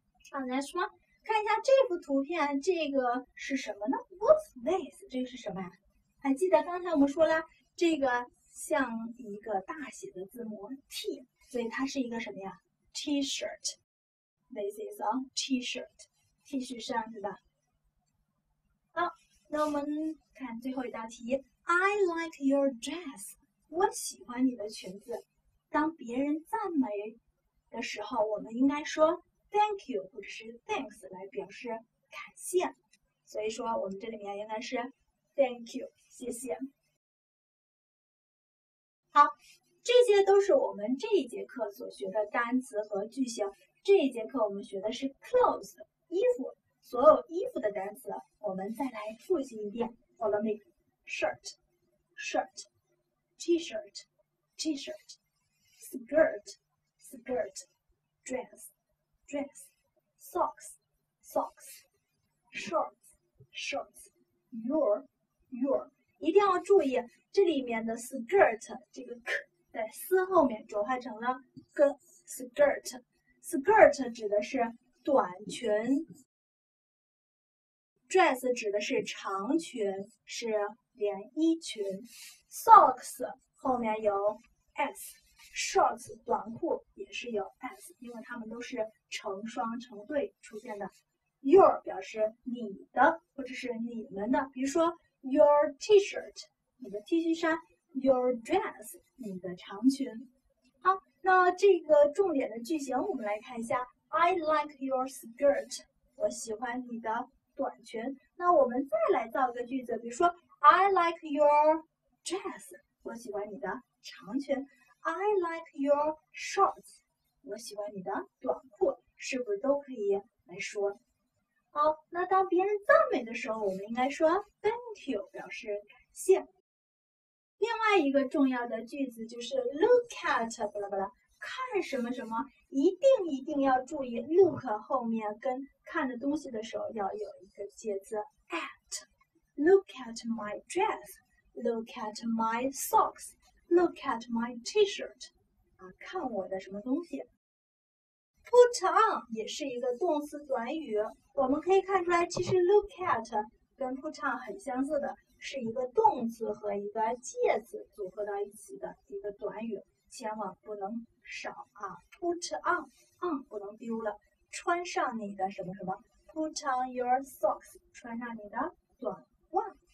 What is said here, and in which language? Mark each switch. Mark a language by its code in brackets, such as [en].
[zh] 好，来说，看一下这幅图片，这个是什么呢？ [en] What's this？ [zh] 这个是什么呀？还记得刚才我们说了，这个像一个大写的字母 T，所以它是一个什么呀？T-shirt。 [en] This is a T-shirt, [zh] T 恤衫是吧？好，那我们看最后一道题。 [en] I like your dress. [zh] 我喜欢你的裙子。当别人赞美的时候，我们应该说 Thank you 或者是 Thanks 来表示感谢。所以说，我们这里面应该是 Thank you, 谢谢。好，这些都是我们这一节课所学的单词和句型。这一节课我们学的是 clothes 衣服，所有衣服的单词我们再来复习一遍。 [en] 我们 make shirt shirt t-shirt t-shirt skirt skirt dress dress socks socks shorts shorts your your [zh] 一定要注意这里面的 skirt 这个 k 在 s 后面转化成了 g skirtSkirt 指的是短裙 ，dress 指的是长裙，是连衣裙。 Socks 后面有 s，shorts 短裤也是有 s， 因为它们都是成双成对出现的。 Your 表示你的或者是你们的，比如说 your T-shirt 你的 T 恤衫 ，your dress 你的长裙。那这个重点的句型我们来看一下 [en] I like your skirt [zh] 我喜欢你的短裙那我们再来造个句子比如说 [en] I like your dress [zh] 我喜欢你的长裙 [en] I like your shorts [zh] 我喜欢你的短裤是不是都可以来说好那当别人赞美的时候我们应该说 Thank you 表示感谢另外一个重要的句子就是 look at 巴拉巴拉，看什么什么，一定要注意 look 后面跟看的东西的时候要有一个介词 at。 [en] Look at my dress, look at my socks, look at my T-shirt。 [zh] 啊，看我的什么东西 ？Put on 也是一个动词短语，我们可以看出来，其实 look at 跟 put on 很相似的。是一个动词和一个介词组合到一起的一个短语，千万不能少啊 ！Put on， on 不能丢了，穿上你的什么什么 ， [en] Put on your socks， [zh] 穿上你的短袜。